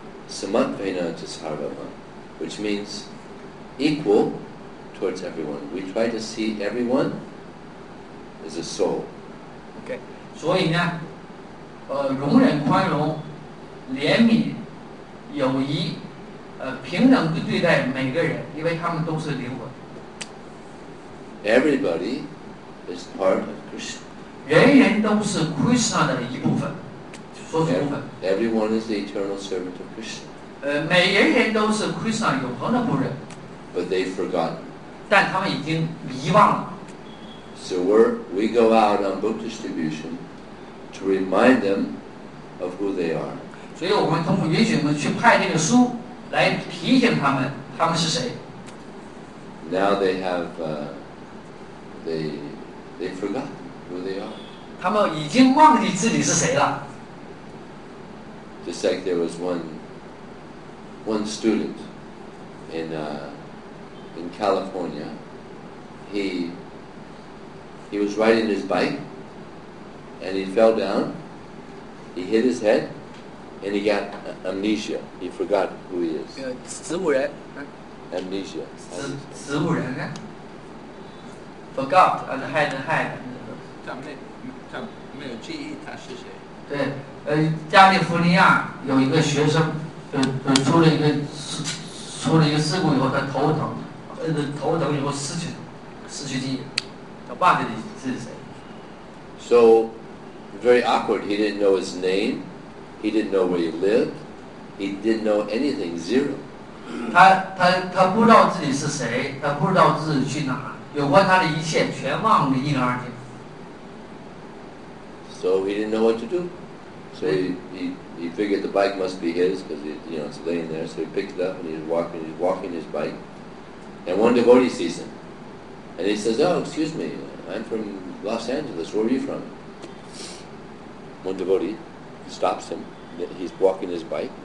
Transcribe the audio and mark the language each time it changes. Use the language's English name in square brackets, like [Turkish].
[English] Samadvena Jisarvama, which means equal towards everyone. We try to see everyone as a soul. Okay. [Chinese] 所以呢，容忍、宽容、怜悯、友谊，平等对待每个人，因为他们都是灵魂。 [English] Everybody is part of Krishna. [Chinese] 人人都是 Krishna 的一部分，说是部分。 [English] Everyone is the eternal servant of Krishna. [Chinese] 每人人都是 Krishna 永恒的仆人。 [English] But they've forgotten. [Chinese] 但他们已经遗忘了。 [English] So we go out on book distribution to remind them of who they are. [Chinese] 所以我们通过允许我们去派这个书来提醒他们，他们是谁。 [English] Now they have they forgot who they are. [Chinese] 他们已经忘记自己是谁了。 [English] Just like there was one student in California, he was riding his bike and he fell down, he hit his head and he got amnesia, he forgot who he is. [Chinese] 植物人 [English] amnesia [Chinese] 植物人 [English] forgot and hide [Chinese] 他没有记忆他是谁。对，加利福尼亚有一个学生出了一个事故以后，他头疼，头疼以后失去记忆，他忘记了是谁。 [English] So, very awkward. He didn't know his name. He didn't know where he lived. He didn't know anything. Zero. [Chinese] 他不知道自己是谁，他不知道自己去哪，有关他的一切全忘得一干二净。 [English] So he didn't know what to do. So he figured the bike must be his because it's laying there. So he picked it up and he's walking his bike. And one devotee sees him. And he says, oh, excuse me, I'm from Los Angeles. Where are you from? One devotee stops him. He's walking his bike.